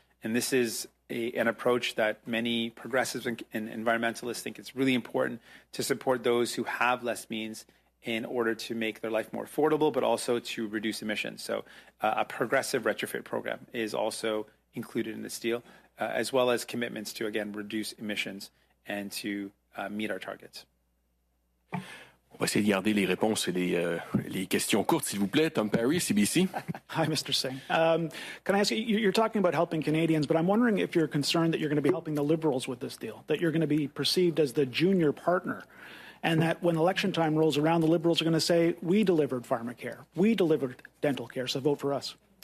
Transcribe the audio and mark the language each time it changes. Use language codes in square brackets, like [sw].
[en] And this is an approach that many progressives and environmentalists think it's really important to support those who have less means in order to make their life more affordable, but also to reduce emissions. So a progressive retrofit program is also included in this deal. As well as commitments to, again, reduce emissions and to meet our targets. [fr] On va essayer de garder les réponses et les questions courtes, s'il vous plaît. [en] Tom Perry, CBC. Hi, Mr. Singh. Can I ask you, you're talking about helping Canadians, but I'm wondering if you're concerned that you're going to be helping the Liberals with this deal, that you're going to be perceived as the junior partner, and that when election time rolls around, the Liberals are going to say, we delivered pharmacare, we delivered dental care, so vote for us.